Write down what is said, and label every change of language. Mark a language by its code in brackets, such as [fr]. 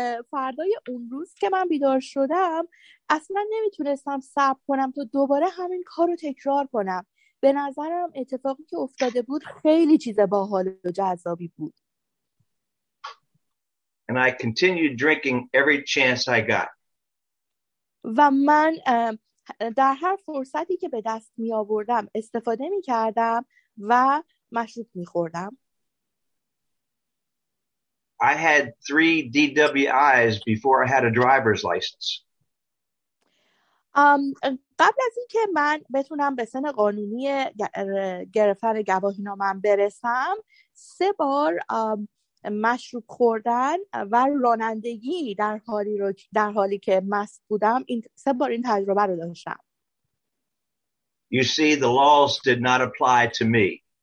[fa] فردای اون روز که من بیدار شدم اصلا نمیتونستم صبر کنم تو دوباره همین کارو تکرار کنم. به نظرم اتفاقی که افتاده بود خیلی چیز باحال و جذابی بود. [en] And I continued drinking every chance I got. [fa] و من در هر فرصتی که به دست می آوردم استفاده می کردم و مشروب می خوردم. [en] I had 3 DWIs before I had a driver's license. [fa] قبل از این که من بتونم به سن قانونی گرفتن گواهی نامه‌ام برسم 3 بار مشروب خوردن و رانندگی در حالی که مست بودم این 3 بار این تجربه رو داشتم. [en] You see, the laws did not apply to me.